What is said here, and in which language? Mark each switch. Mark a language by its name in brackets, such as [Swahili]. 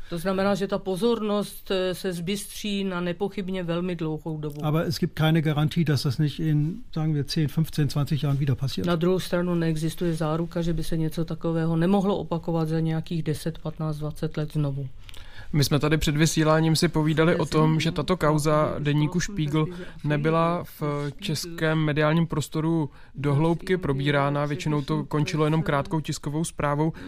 [Czech] To znamená, že ta pozornost se zbystří na nepochybně velmi dlouhou dobu. [German] Aber es gibt keine Garantie, dass das nicht in, sagen wir, 10, 15, 20 Jahren wieder passiert. [Czech] Na druhou stranu neexistuje záruka, že by se něco takového nemohlo opakovat za nějakých 10, 15, 20 let znovu. My jsme tady před vysíláním si povídali o tom, že tato kauza deníku Spiegel nebyla v českém mediálním prostoru dohloubky probírána, většinou to končilo jenom krátkou tiskovou zprávou.